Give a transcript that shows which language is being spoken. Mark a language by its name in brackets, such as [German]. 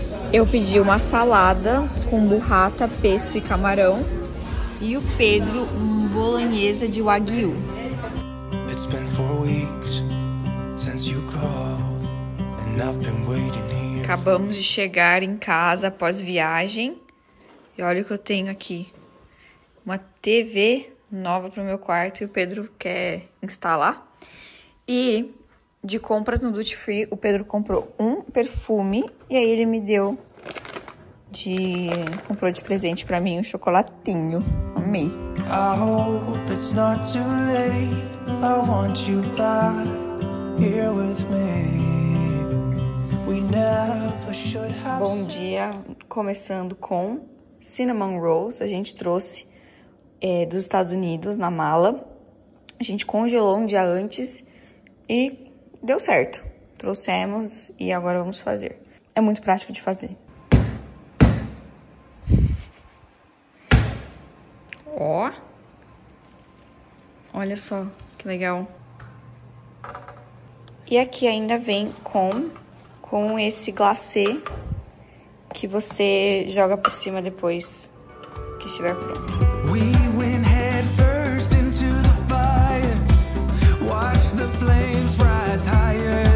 [Portuguese] Eu pedi uma salada com burrata, pesto e camarão. E o Pedro, um bolonhesa de wagyu. [English] It's been 4 weeks since you called, and I've been waiting here. [Portuguese] Acabamos de chegar em casa após viagem. E olha o que eu tenho aqui. Uma TV nova pro meu quarto e o Pedro quer instalar. E de compras no Duty Free, o Pedro comprou um perfume e aí ele me deu comprou de presente pra mim um chocolatinho. Amei. [English] I hope it's not too late. I want you back here with me. We never should have. [Portuguese] Bom dia, começando com cinnamon rolls. A gente trouxe dos Estados Unidos na mala. A gente congelou um dia antes e deu certo. Trouxemos e agora vamos fazer. É muito prático de fazer. Ó. Olha só, que legal. E aqui ainda vem com esse glacê que você joga por cima depois que estiver pronto. [English] We went head first into the fire. Watch the flames rise higher.